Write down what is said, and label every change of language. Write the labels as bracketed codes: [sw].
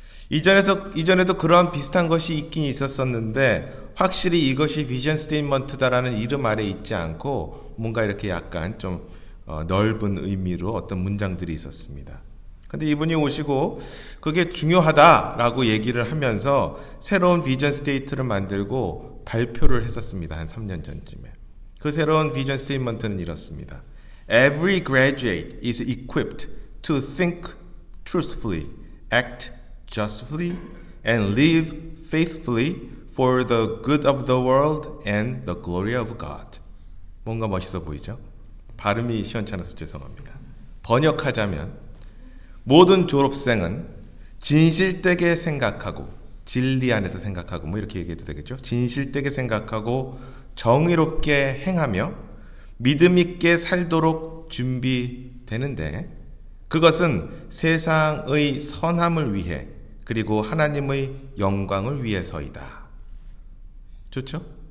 [ko] 이전에도 그러한 비슷한 것이 있긴 있었었는데, 확실히 이것이 비전 스테이트먼트다라는 이름 아래 있지 않고 뭔가 이렇게 약간 좀 넓은 의미로 어떤 문장들이 있었습니다. 그런데 이분이 오시고 그게 중요하다라고 얘기를 하면서 새로운 비전 스테이트를 만들고 발표를 했었습니다. 한 3년 전쯤에. 그 새로운 비전 스테이트먼트는 이렇습니다. [en] Every graduate is equipped to think truthfully, act justly, and live faithfully for the good of the world and the glory of God. [ko] 뭔가 멋있어 보이죠? 발음이 시원찮아서 죄송합니다. 번역하자면, 모든 졸업생은 진실되게 생각하고, 진리 안에서 생각하고, 뭐 이렇게 얘기해도 되겠죠? 진실되게 생각하고, 정의롭게 행하며, 믿음 있게 살도록 준비되는데, 그것은 세상의 선함을 위해, 그리고 하나님의 영광을 위해서이다. 좋죠?